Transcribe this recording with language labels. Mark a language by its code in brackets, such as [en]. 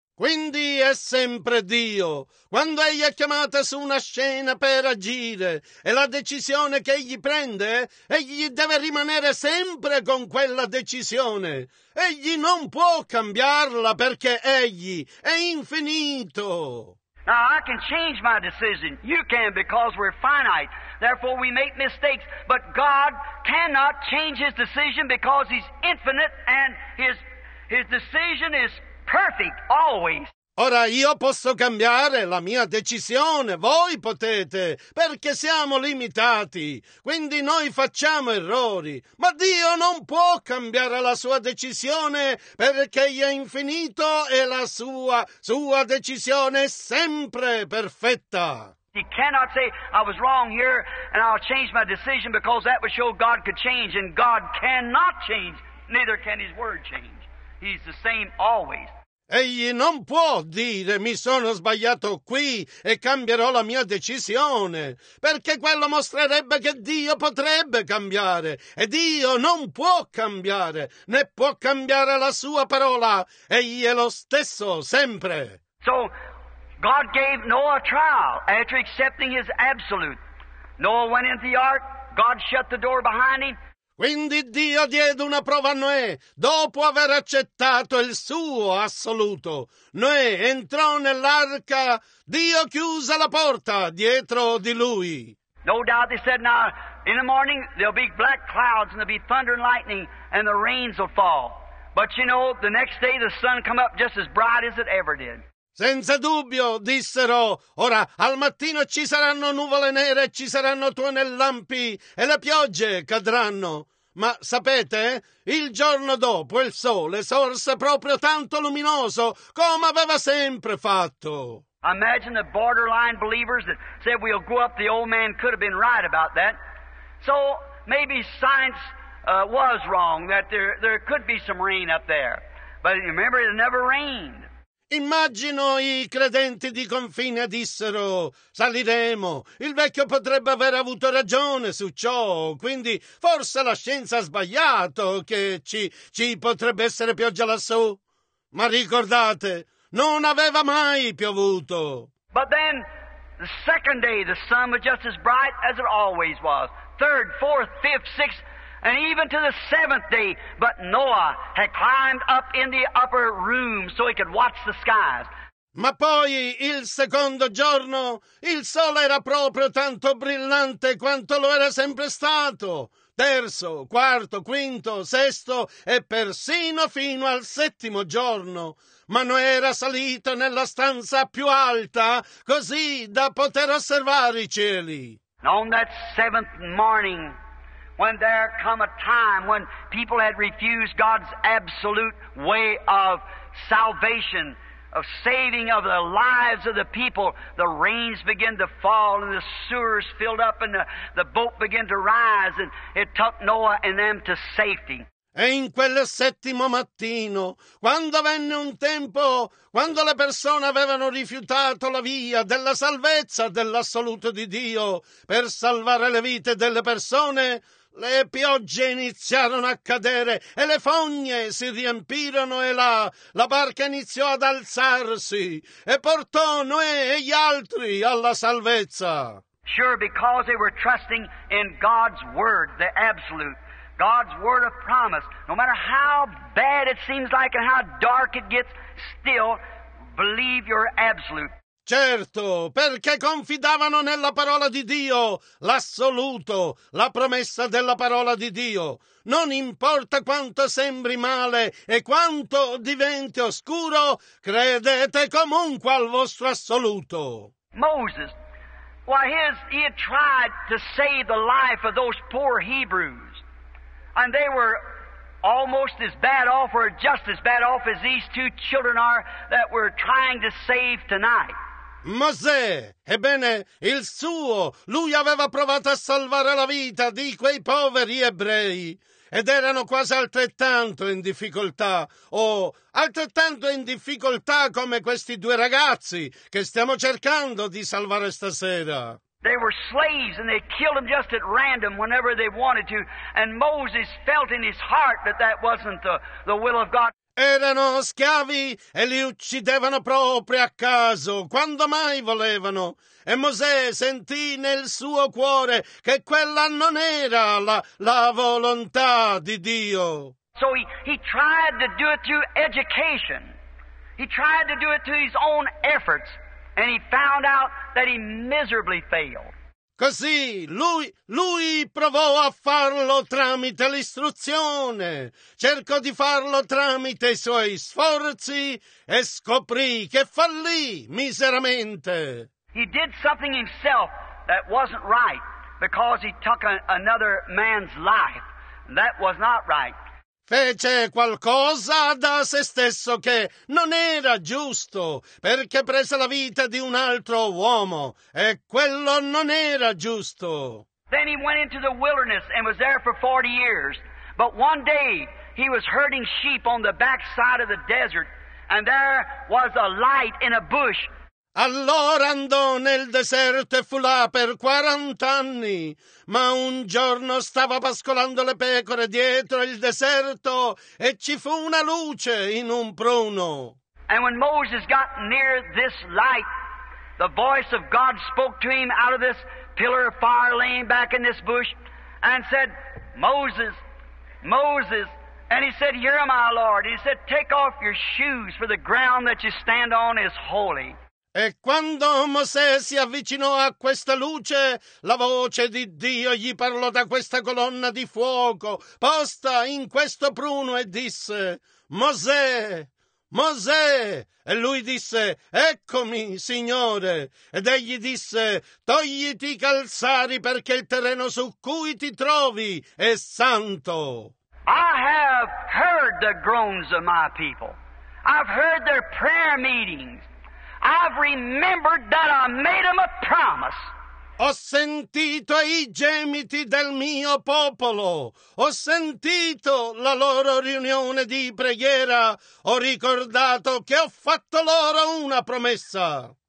[it] Quindi è sempre Dio. Quando egli è chiamato su una scena per agire, e la decisione che egli prende, egli deve rimanere sempre con quella decisione. Egli non può cambiarla perché egli è infinito. [en] Now, I can change my decision. You can, because we're finite. Therefore, we make mistakes. But God cannot change his decision because he's infinite and his decision is perfect always. [it] Ora, io posso cambiare la mia decisione. Voi potete, perché siamo limitati. Quindi noi facciamo errori. Ma Dio non può cambiare la sua decisione perché egli è infinito e la sua decisione è sempre perfetta. [en] He cannot say, I was wrong here and I'll change my decision because that would show God could change. And God cannot change, neither can his word change. He's the same always. [it] Egli non può dire mi sono sbagliato qui e cambierò la mia decisione, perché quello mostrerebbe che Dio potrebbe cambiare, e Dio non può cambiare, né può cambiare la sua parola, egli è lo stesso sempre. [en] So, God gave Noah a trial after accepting his absolute. Noah went into the ark, God shut the door behind him. [it] Quindi Dio diede una prova a Noè, dopo aver accettato il suo assoluto. Noè entrò nell'arca, Dio chiuse la porta dietro di lui. [en] No doubt, they said, now, in the morning, there'll be black clouds, and there'll be thunder and lightning, and the rains will fall. But you know, the next day, the sun come up just as bright as it ever did. [it] Senza dubbio, dissero, ora al mattino ci saranno nuvole nere, ci saranno tuonellampi e le piogge cadranno. Ma sapete, il giorno dopo il sole sorse proprio tanto luminoso come aveva sempre fatto. [en] Imagine the borderline believers that said we'll go up, the old man could have been right about that. So maybe science was wrong, that there could be some rain up there. But remember, it never rained. [it] Immagino i credenti di confine dissero, saliremo, il vecchio potrebbe aver avuto ragione su ciò, quindi forse la scienza ha sbagliato che ci potrebbe essere pioggia lassù. Ma ricordate, non aveva mai piovuto. [en] But then, the second day, the sun was just as bright as it always was. Third, fourth, fifth, sixth, and even to the seventh day, but Noah had climbed up in the upper room so he could watch the skies. [it] Ma poi, il secondo giorno, il sole era proprio tanto brillante quanto lo era sempre stato. Terzo, quarto, quinto, sesto e persino fino al settimo giorno. Ma non era salito nella stanza più alta, così da poter osservare i cieli. [en] On that seventh morning, when there come a time when people had refused God's absolute way of salvation, of saving of the lives of the people, the rains began to fall and the sewers filled up and the boat began to rise and it took Noah and them to safety. [it] E in quel settimo mattino, quando venne un tempo, quando le persone avevano rifiutato la via della salvezza dell'assoluto di Dio per salvare le vite delle persone, le piogge iniziarono a cadere e le fogne si riempirono e la barca iniziò ad alzarsi e portò Noè e gli altri alla salvezza. [en] Sure, because they were trusting in God's word, the absolute. God's word of promise, no matter how bad it seems like and how dark it gets, still believe your absolute. [it] Certo, perché confidavano nella parola di Dio, l'assoluto, la promessa della parola di Dio. Non importa quanto sembri male e quanto diventi oscuro, credete comunque al vostro assoluto. [en] Moses, well, he had tried to save the life of those poor Hebrews. And they were almost as bad off, or just as bad off, as these two children are that we're trying to save tonight. [it] Mosè, ebbene, il suo, lui aveva provato a salvare la vita di quei poveri ebrei, ed erano quasi altrettanto in difficoltà, o altrettanto in difficoltà come questi due ragazzi che stiamo cercando di salvare stasera. [en] They were slaves and they killed them just at random whenever they wanted to. And Moses felt in his heart that that wasn't the will of God. [it] Erano schiavi e li uccidevano proprio a caso, quando mai volevano. E Mosè sentì nel suo cuore che quella non era la volontà di Dio. [en] So he tried to do it through education. He tried to do it through his own efforts. And he found out that he miserably failed. [it] Così lui provò a farlo tramite l'istruzione. Cercò di farlo tramite i suoi sforzi e scoprì che fallì miseramente. [en] He did something himself that wasn't right because he took another man's life. That was not right. [it] Fece qualcosa da se stesso che non era giusto, perché prese la vita di un altro uomo, e quello non era giusto. [en] Then he went into the wilderness and was there for 40 years. But one day he was herding sheep on the backside of the desert, and there was a light in a bush. [it] Allora andò nel deserto e fu là per 40 anni, ma un giorno stava pascolando le pecore dietro il deserto e ci fu una luce in un pruno. [en] And when Moses got near this light, the voice of God spoke to him out of this pillar of fire laying back in this bush and said, Moses, Moses. And he said, here am I, Lord. He said, take off your shoes, for the ground that you stand on is holy. [it] E quando Mosè si avvicinò a questa luce, la voce di Dio gli parlò da questa colonna di fuoco posta in questo pruno e disse, Mosè, Mosè! E lui disse, eccomi, Signore! Ed egli disse, togliti i calzari perché il terreno su cui ti trovi è santo. [en] I have heard the groans of my people. I've heard their prayer meetings. I've remembered that I made him a promise. [it] Ho sentito i gemiti del mio popolo. Ho sentito la loro riunione di preghiera. Ho ricordato che ho fatto loro una promessa.